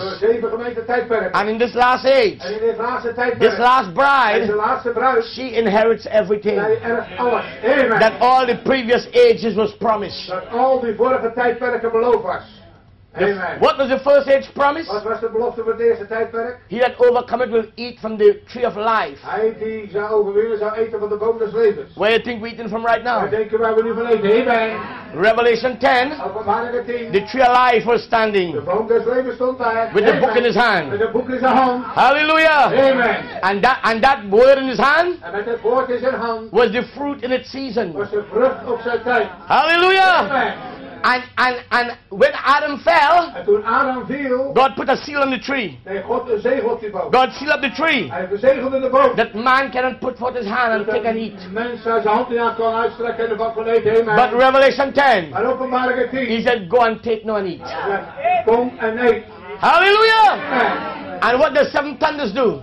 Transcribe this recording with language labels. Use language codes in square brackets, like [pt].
[nl] Voor zeven gemeente tijdperken. [en] And in this last age. [nl] En in dit laatste tijdperk. [en] This last bride. [nl] Deze laatste bruid. [en] She inherits everything. [nl] Zij erft alles. Amen. [en] That all the previous ages was promised. [nl] Dat al die vorige tijdperken beloofd was. [en] The, amen. What was the first age promise? [nl] Wat was de belofte voor het eerste tijdperk? [en] He that overcome it will eat from the tree of life. [nl] Hij die zou overwinnen zou eten van de boom des levens. [en] Where you think we're eating from right now? [nl] Waar denken wij we nu van eten? Amen. [en] Revelation 10. [nl] Openbaring 10. [en] The tree of life was standing. [nl] De boom des levens stond daar. [en] With the book in his hand. [nl] Met het boek in zijn hand. Hallelujah. Amen. [en] And that word in his hand. [nl] En met het woord in zijn hand. [en] Was the fruit in its season. [nl] Was de vrucht op zijn tijd. Hallelujah. Amen. [en] And when Adam fell, [nl] en toen Adam viel, [en] God put a seal on the tree. [nl] Nee, God een zegeltje boven. [en] God sealed up the tree. [nl] Hij verzegelde de boom. [en] That man cannot put forth his hand and [nl] dat [en] take and eat. [nl] Mens zou zijn hand niet aan kan uitstrekken en wat kan eten. Amen. [en] But Revelation 10. [nl] En Openbaring 10. [en] He said, go and take no and eat. [nl] Kom en eet. Hallelujah. Amen. [en] And what the seven thunders do?